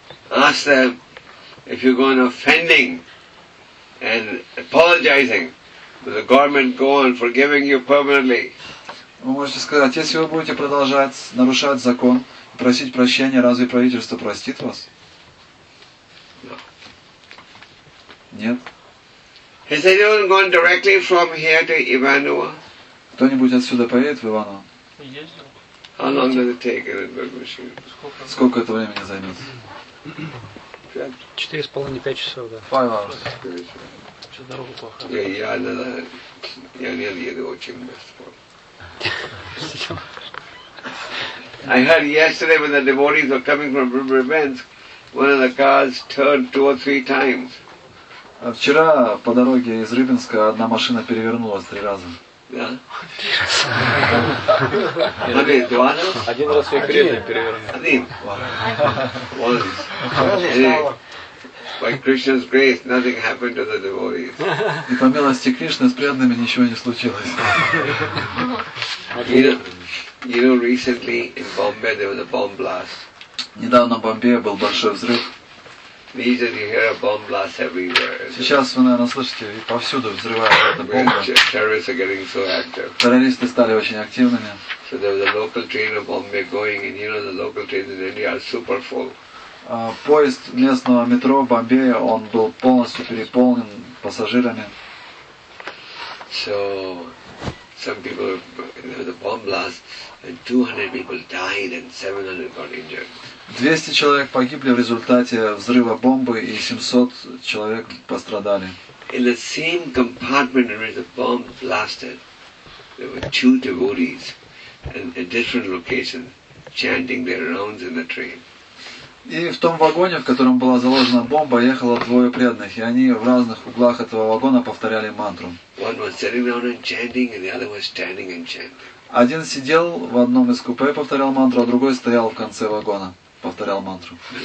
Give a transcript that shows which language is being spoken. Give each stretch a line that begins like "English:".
English: Ask them, if you go on offending and apologizing, will the government go on forgiving you permanently?
Russian: Вы можете сказать, если вы будете продолжать нарушать закон, просить прощения, разве правительство простит вас? Нет.
English: Has anyone gone directly from here to Ivanova?
Russian: Кто-нибудь отсюда поедет в Иваново?
English: How long does it take in a bird machine?
Russian: Сколько это времени займет? Четыре с половиной, пять часов, да. Что дорога плохая. Я не еду очень быстро.
English: I heard yesterday when the devotees were coming from Bremensk, one of the cars turned two or three times.
Russian: Вчера по дороге из Рыбинска одна машина перевернулась три раза. Один раз ее кресло перевернули.
English: By Krishna's grace, nothing happened to the devotees.
Russian: И по милости Кришны с преданными ничего не случилось.
English: You know, recently in Bombay there was a bomb blast.
Russian: Недавно в Бомбее был большой взрыв.
English: Usually you hear a bomb blast everywhere.
Russian: Сейчас вы, наверное, слышите, повсюду взрываются эта бомба.
English: Terrorists are getting so active.
Russian: Террористы стали очень активными.
English: So there was a local train of Bombay going, and you know the local trains in India are super full.
Russian: Поезд местного метро в Бомбее, он был полностью переполнен пассажирами.
English: So some people, there was a bomb blast, and 200 people died, and 700 got injured.
Russian: 200 человек погибли в результате взрыва бомбы, и 700 человек пострадали.
English: In the same compartment where the bomb blasted, there were two devotees in a different location chanting their rounds in the train.
Russian: И в том вагоне, в котором была заложена бомба, ехало двое преданных, и они в разных углах этого вагона повторяли мантру. Один сидел в одном из купе и повторял мантру, а другой стоял в конце вагона, повторял мантру.